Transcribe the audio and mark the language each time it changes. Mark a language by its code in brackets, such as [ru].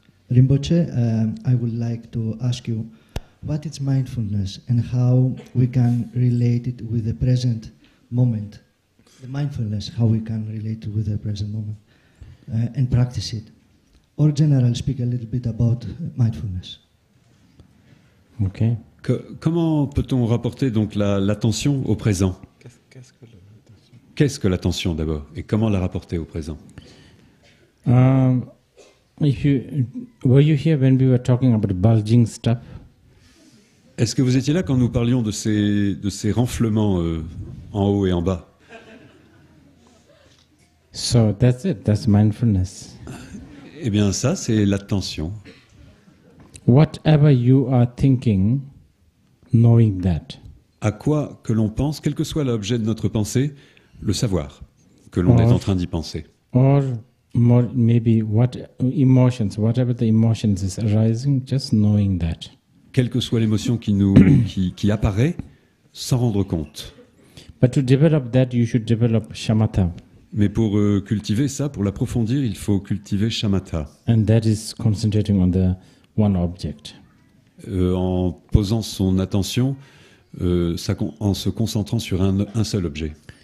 [en] Rinpoche, I would like to ask you, what is mindfulness and how we can relate it with the present moment? The mindfulness, how we can relate with the present moment and practice it. Or generally speak a little bit about mindfulness. Okay. [fr] Comment peut-on rapporter donc l'attention au présent? Qu'est-ce que l'attention d'abord et comment la rapporter au présent? [en] Were you here when we were talking about bulging stuff? [fr] Est-ce que vous étiez là quand nous parlions de ces renflements en haut et en bas? [en] So that's it, that's mindfulness. [fr] Eh bien ça, c'est l'attention. [en] Whatever you are thinking, knowing that. [fr] À quoi que l'on pense, quel que soit l'objet de notre pensée, le savoir que l'on est en train d'y penser. [en] Or more, maybe what emotions, whatever the emotions is arising, just knowing that. [fr] Quelle que soit l'émotion qui apparaît, s'en rendre compte. [en] But to develop that, you should develop shamatha. [fr] Mais pour cultiver ça, pour l'approfondir, il faut cultiver shamatha. [en] And that is concentrating on the one object. [fr] En posant son attention, en se concentrant sur un seul objet.